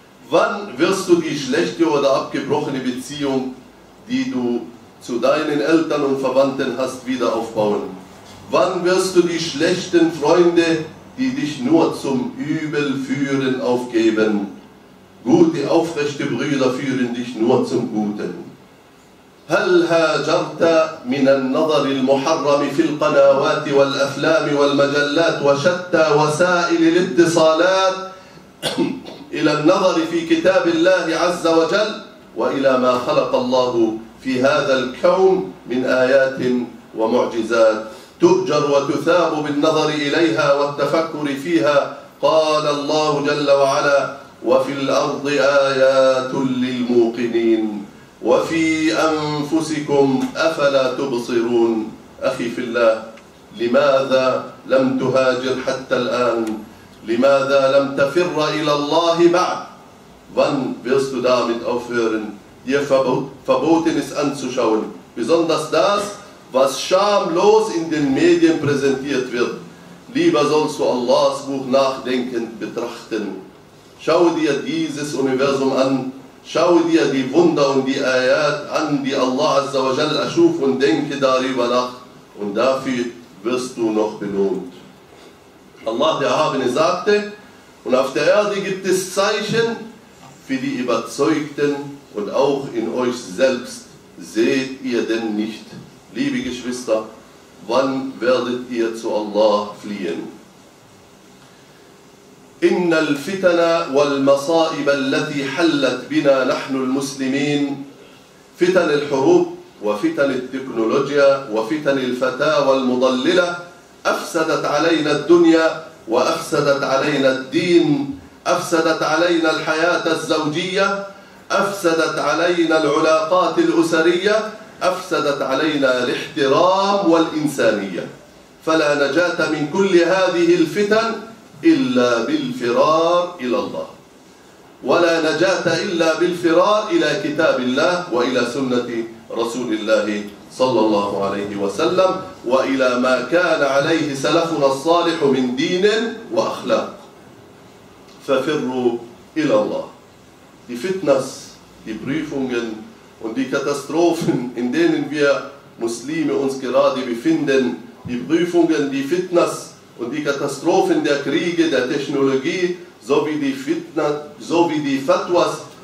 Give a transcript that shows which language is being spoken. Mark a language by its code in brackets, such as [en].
[de] Wann wirst du die schlechte oder abgebrochene Beziehung, die du zu deinen Eltern und Verwandten hast, wieder aufbauen? Wann wirst du die schlechten Freunde, die dich nur zum Übel führen, aufgeben? Gute, aufrechte Brüder führen dich nur zum Guten. [ar] هل هاجرت من النظر المحرم في القنوات والأفلام والمجلات وشتى وسائل الاتصالات إلى النظر في كتاب الله عز وجل وإلى ما خلق الله في هذا الكون من آيات ومعجزات تؤجر وتثاب بالنظر إليها والتفكر فيها؟ قال الله جل وعلا: وفي الأرض آيات للموقنين وفي أنفسكم أفلا تبصرون. أخي في الله، لماذا لم تهاجر حتى الآن؟ لماذا لم تفر إلى الله بعد؟ [de] Wann wirst du damit aufhören, dir Verbotenes anzuschauen, besonders das, was schamlos in den Medien präsentiert wird? Lieber sollst du Allahs Buch nachdenkend betrachten. Schau dir dieses Universum an, schau dir die Wunder und die Ayat an, die Allah Azza wa Jal erschuf, und denke darüber nach, und dafür wirst du noch belohnt. Allah der Erhabene sagte: Und auf der Erde gibt es Zeichen für die Überzeugten, und auch in euch selbst seht ihr denn nicht? Liebe Geschwister, wann werdet ihr zu Allah fliehen? [ar] إن الفتن والمصائب التي حلت بنا نحن المسلمين، فتن الحروب وفتن التكنولوجيا وفتن الفتاوى المضللة، أفسدت علينا الدنيا وأفسدت علينا الدين، أفسدت علينا الحياة الزوجية، أفسدت علينا العلاقات الأسرية، أفسدت علينا الاحترام والإنسانية. فلا نجاة من كل هذه الفتن إلا بالفرار إلى الله، ولا نجاة إلا بالفرار إلى كتاب الله وإلى سنة رسول الله صلى الله عليه وسلم وإلى ما كان عليه سلفنا الصالح من دين وأخلاق. ففروا إلى الله. [de] Die Fitness, die Prüfungen und die Katastrophen, in denen wir Muslime uns gerade befinden, die Prüfungen, die Fitness und die Katastrophen der Kriege, der Technologie, sowie die Fatwas,